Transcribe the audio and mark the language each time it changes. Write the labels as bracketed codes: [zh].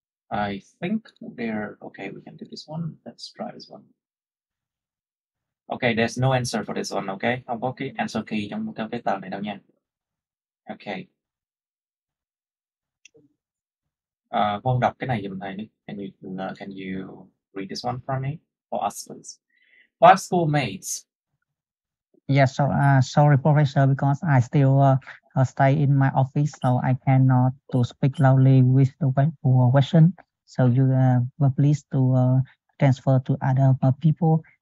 [en] I think there, okay, we can do this one. Let's try this one. Okay, there's no answer for this one, okay? [vi] Không có cái answer key trong một cái tờ này đâu nha. Okay. Vâng đọc cái này giùm thầy đi. [en] Can you read this one for me for us please? Five schoolmates. Yes, so sorry professor, because I still stay in my office, so I cannot to speak loudly with the question. So you please to transfer to other people.